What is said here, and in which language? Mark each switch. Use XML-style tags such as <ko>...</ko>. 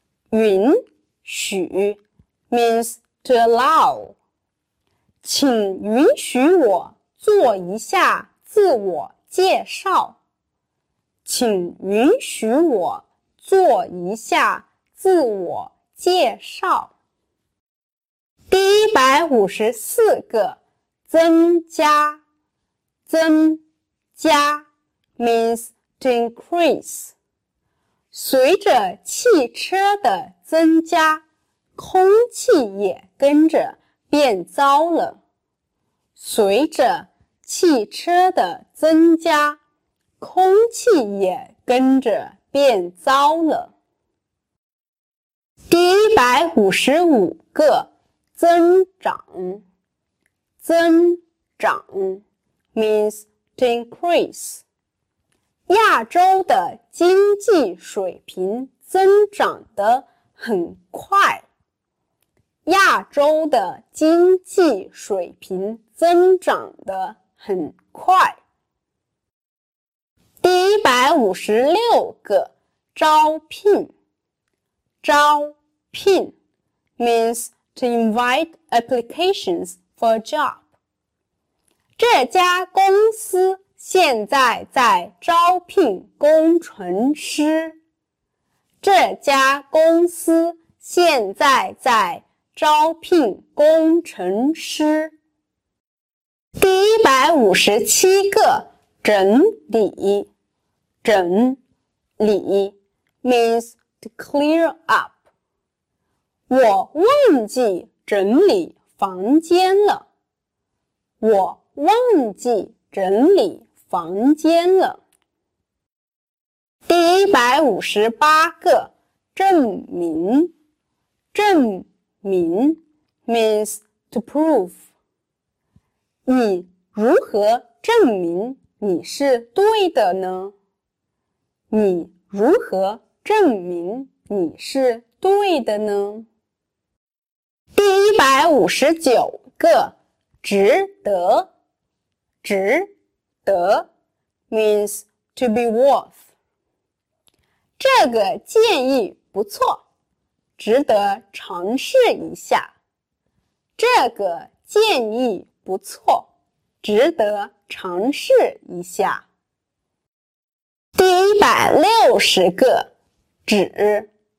<en>允许 means to allow.</en> <zh>请允许我做一下自我介绍。请允许我做一下自我介绍。第154个增加</zh> <en>增加 means to increase.</en> <zh>随着汽车的增加，空气也跟着变糟了。随着汽车的增加，空气也跟着变糟了。第155个增长</zh> <en>增长 means to increase.</en> <zh>亚洲的经济水平增长得很快。亚洲的经济水平增长得很快。第156个招聘</zh> <en>招聘 means to invite applications for a job.</en> <zh>这家公司现在在招聘工程师。这家公司现在在招聘工程师。第157个整理</zh> <en>整理 means to clear up.</en> <zh>我忘记整理房间了。我忘记整理房间了。第158个证明</zh> <en>证明 means to prove.</en> <zh>你如何证明你是对的呢？你如何证明你是对的呢？第159个值得</zh> <en>值得 means to be worth.</en> <zh>这个建议不错，值得尝试一下。这个建议不错，值得尝试一下。第160个指</zh>